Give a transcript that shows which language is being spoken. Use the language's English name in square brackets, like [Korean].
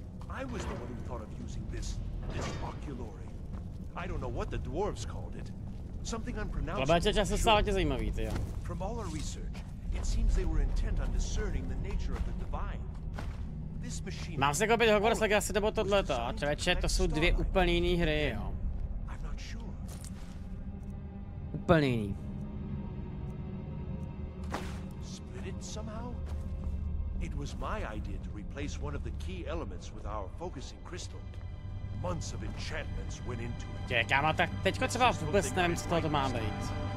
[English] I was the one who thought of using this oculary. I don't know what the dwarves called it. Something unpronounceable. Sure. From all our research, it seems they were intent on discerning the nature of the divine. This machine. [Czech] Mám se koupit Hogwarts Legacy nebo tohleto? Člověče, to jsou dvě úplně jiné hry, jo. [English] I'm not sure. [Czech] Úplně jiný. [English] Split it somehow? It was my idea to replace one of the key elements with our focusing crystal. Months of enchantments went into it. [Czech] Kámo, tak teďko třeba vůbec nevím, co to má být.